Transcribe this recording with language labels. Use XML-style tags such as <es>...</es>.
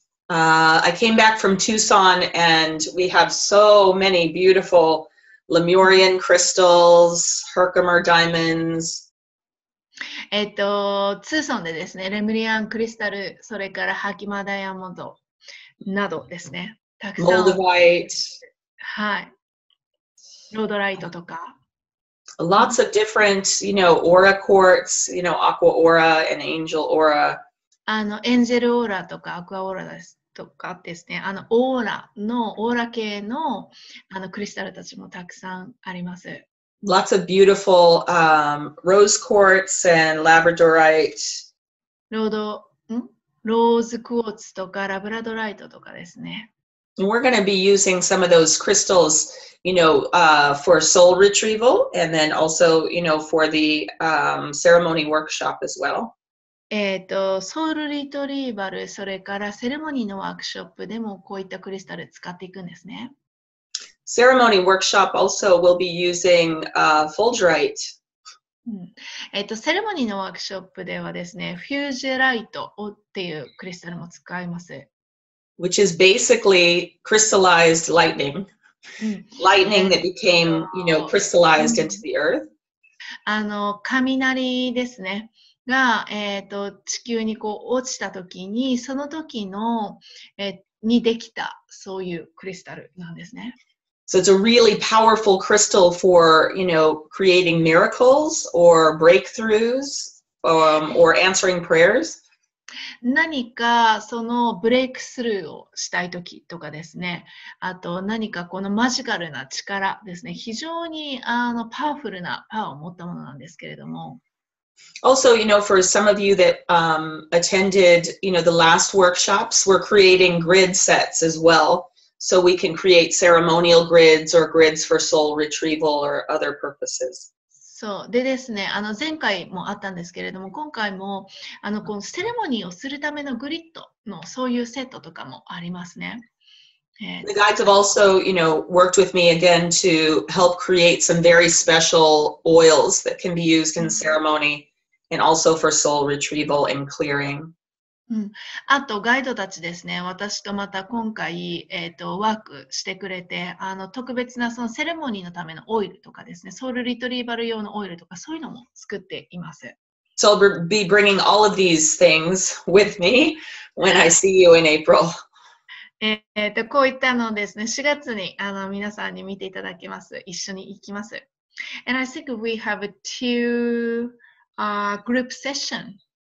<en>I came back from Tucson and we have so many beautifulLemurian crystals, Herkimer diamonds.</en> <ja>ツーソンでですね、レムリアンクリスタル、それからハキマダイヤモンドなどですね、たくさん。モルドライト。はい。ロードライトとか。</ja> <en>Lots of different, you know, aura quartz, you know, aqua aura and angel aura.</en> <ja>エンジェルオーラとかアクアオーラです。とかですね、オーラ系のクリスタルたちもたくさんあります。</ja> <en>Lots of beautiful rose quartz and labradorite.</en> <ja>ローズクォーツとかラブラドライトとかですね。</ja> <en>We're going to be using some of those crystals, you know, for soul retrieval and then also, you know, for the ceremony workshop as well.</en> <ja>ソウルリトリーバル、それからセレモニーのワークショップでもこういったクリスタル使っていくんですね。</ja> <en>Ceremony workshop also will be using fulgurite.</en> <ja>セレモニーのワークショップではですね、フュージュライトっていうクリスタルも使います。</ja> <en>Which is basically crystallized lightning. Lightning that became, you know, crystallized into the earth.</en> <ja>雷ですね。が、地球にこう落ちた時に、その時の、にできた、そういうクリスタルなんですね。</ja> <en>So it's a really powerful crystal for, you know, creating miracles or breakthroughs, or answering prayers.</en> <ja>何かそのブレイクスルーをしたい時とかですね。あと何かこのマジカルな力ですね。非常にパワフルなパワーを持ったものなんですけれども。</ja> <en>Also, you know, for some of you that attended, you know, the last workshops, we're creating grid sets as well. So we can create ceremonial grids or grids for soul retrieval or other purposes.</en> <ja>そうでですね、前回もあったんですけれども、今回もこのセレモニーをするためのグリッドのそういうセットとかもありますね。</ja> <en>The guides have also, you know, worked with me again to help create some very special oils that can be used in ceremony and also for soul retrieval and clearing.</en> <ja>あとガイドたちですね、私とまた今回、ワークしてくれて、特別なそのセレモニーのためのオイルとかですね、ソウルリトリーバル用のオイルとかそういうのも作っています。</ja> <en>So I'll be bringing all of these things with me when I see you in April.</en> <ja>こういったのですね、4月に皆さんに見ていただきます。一緒に行きます。</ja> <en>And I think we have two group session.</en>